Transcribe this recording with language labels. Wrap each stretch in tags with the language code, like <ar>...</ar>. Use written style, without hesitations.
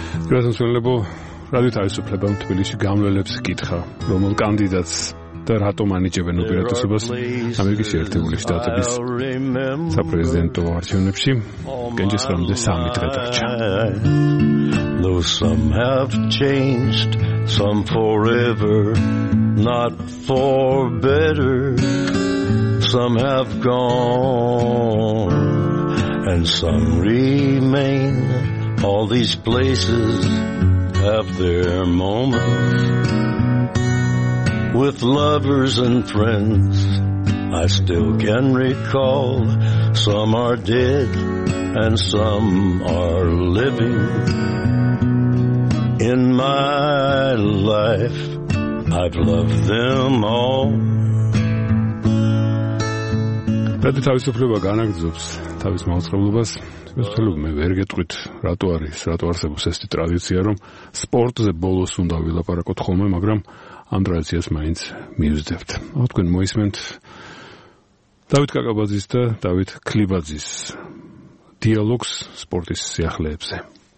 <ka>გასულ წელებო რადიო თავისუფლებამ თბილისში გამვლელებს კითხა, რომელ კანდიდატს და რატომ ანიჭებენ უპირატესობას ამერიკის შეერთებული შტატების საპრეზიდენტო არჩევნებში? კენჯის რამდე სამი დღე დარჩა.</ka> <en>Some have changed, some forever, not for better. Some have gone and some remain. All these places have their moments. With lovers and friends, I still can recall. Some are dead and some are living. In my life, I've loved them all.</en> <ka>Ради თავისუფლება განაგძობს თავის მოაწყობლობას. ვეცდები მე ვერ გეტყვით, რატო არის, რატო არსებობს ესეთი ტრადიცია, რომ სპორტზე ბოლოს უნდა ვილაპარაკოთ ხოლმე, მაგრამ ამ ტრადიციას მაინც მივზდებთ. ახლა თქვენ მოისმენთ დავით კაკაბაძის და დავით ქლიბაძის დიალოგს სპორტის სიახლეებზე.</ka>